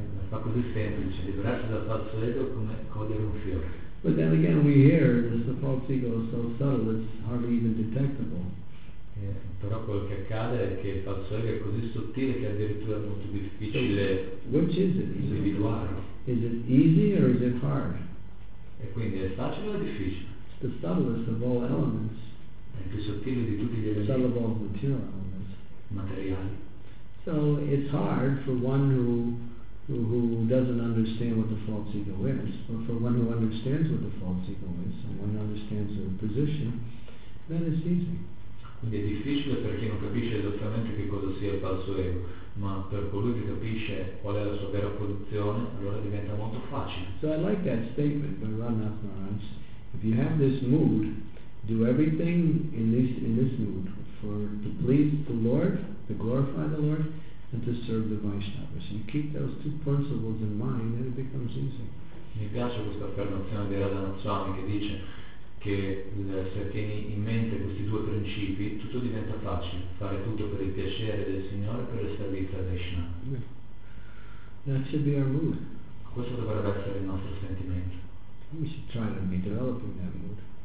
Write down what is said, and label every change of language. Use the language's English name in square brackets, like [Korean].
[Italian] Fa così semplice, liberarsi dal falso ego come cogliere un fiore. [English] But then again we hear that the false ego is so subtle it's hardly even detectable. [Italian] Però quel che accade è che il falso ego è così sottile che addirittura è molto difficile individuarlo. [English] Is it easy or is it hard? [Italian] E quindi è facile o è difficile? [English] It's the subtlest of all elements. [Italian] È più sottile di tutti gli elementi. [English] Subtle of material elements. [Italian] Materiali. [English] So it's hard for one who doesn't understand what the false ego is, but for one who understands what the false ego is, and one understands their position, then it's easy. [Italian] Quindi è difficile per chi non capisce esattamente che cosa sia il falso ego, ma per colui che capisce qual è la sua vera posizione, allora diventa molto facile. [English] So I like that statement by Ramnath Maharaj. If you have this mood, do everything in this mood for to please the Lord, to glorify the Lord, and to serve the Vaishnavas. You keep those two principles in mind and it becomes easy. [Italian] Mi piace questa affermazione di Ramnath Swami che dice che se tieni in mente questi due principi tutto diventa facile, fare tutto per il piacere del Signore e per il servizio a Krishna. [English] That should be our mood. [Italian] Questo dovrebbe essere il nostro sentimento. [English] We should try to be developing that mood.